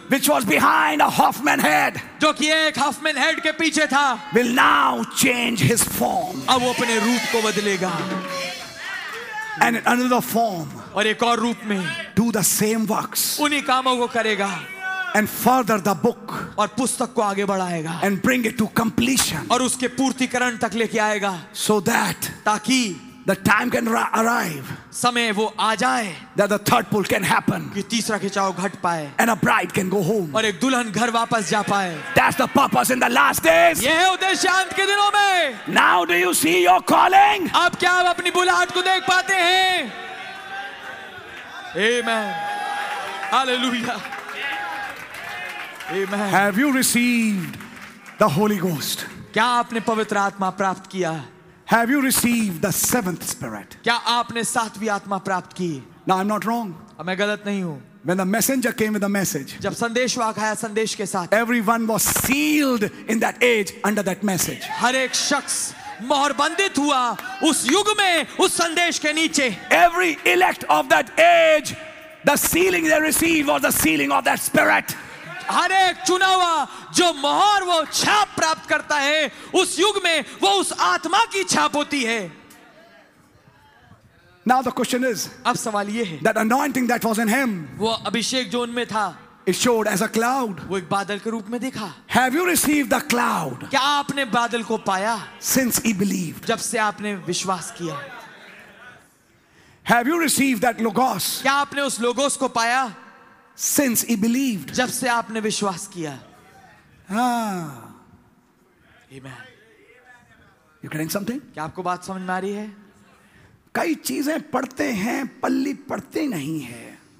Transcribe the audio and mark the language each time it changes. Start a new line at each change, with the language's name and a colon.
English: Which was behind a Hoffman head.
Hindi: जो कि एक Hoffman head के पीछे था.
English: Will now change his form.
Hindi: अब वो अपने रूप को बदलेगा.
English: And in another form.
Hindi: और एक और रूप में.
English: Do the same works.
Hindi: उन्हीं कामों को करेगा.
English: And further the book.
Hindi: और पुस्तक को आगे बढ़ाएगा.
English: And bring it to completion.
Hindi: और उसके पूर्तिकरण तक लेके आएगा.
English: So that.
Hindi: ताकि.
English: The time can arrive.
Hindi: समय वो आ जाए.
English: That the third pull can happen.
Hindi: कि तीसरा खिंचाव घट पाए.
English: And a bride can go home.
Hindi: और एक दुल्हन घर वापस जा पाए.
English: That's the purpose in the last days.
Hindi: ये है उद्देश्य अंत के दिनों में.
English: Now do you see your calling?
Hindi: आप क्या आप अपनी बुलाहट को देख पाते हैं?
English: Amen. Hallelujah. Amen. Have you received the Holy Ghost?
Hindi: क्या आपने पवित्र आत्मा प्राप्त किया?
English: Have you received the seventh spirit?
Hindi: क्या आपने सातवीं आत्मा प्राप्त की?
English: Now I'm not wrong.
Hindi: अब मैं गलत नहीं हूँ.
English: When the messenger came with the message.
Hindi: जब संदेश वाक आया संदेश के साथ.
English: Everyone was sealed in that age under that message.
Hindi: हर एक शख्स मोहरबंदित हुआ उस युग में उस संदेश के नीचे.
English: Every elect of that age, the sealing they received was the sealing of that spirit.
Hindi: हर एक चुना हुआ जो मोहर वो छाप प्राप्त करता है उस युग में वो उस आत्मा की छाप होती है.
English: Now the question is,
Hindi: अब सवाल ये है,
English: that anointing that was in him,
Hindi: वो अभिषेक जो उनमें था,
English: it showed as a cloud,
Hindi: वो एक बादल के रूप में दिखा.
English: Have you received the cloud?
Hindi: क्या आपने बादल को पाया?
English: Since he believed,
Hindi: जब से आपने विश्वास किया.
English: Have you received that logos?
Hindi: क्या आपने उस लोगोस को पाया?
English: Since he believed.
Hindi: जब से आपने विश्वास किया.
English: Amen. You getting something?
Hindi: क्या आपको बात समझ में आ रही है? कई चीजें पढ़ते हैं पल्ली पढ़ते नहीं है.